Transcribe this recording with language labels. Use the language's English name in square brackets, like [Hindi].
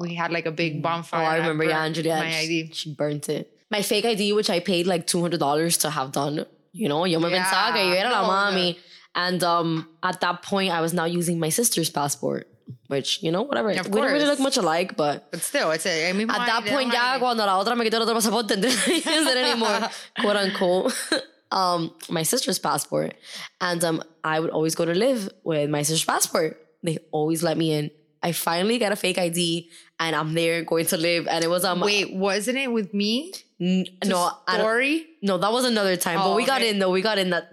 [English] We had like a big bonfire. Oh, I remember. Yeah, Andrea. My ID. She burnt it. My fake ID, which I paid like $200 to have done. You know, [Spanish] yo me pensaba que yo era la mami. [English] And at that point, I was now using my sister's passport. Which, you know, whatever. Of course. We don't really look much alike, but... But still, it's a... I mean, at that point, [Spanish] ya, cuando la otra me quitó el otro pasaporte, entonces no [English] anymore. Quote, unquote. My sister's passport. And I would always go to live with my sister's passport. They always let me in. I finally got a fake ID and I'm there going to live. And it was Wait, wasn't it with me? No. Story? No, that was another time. Oh, but we got in though. We got in that.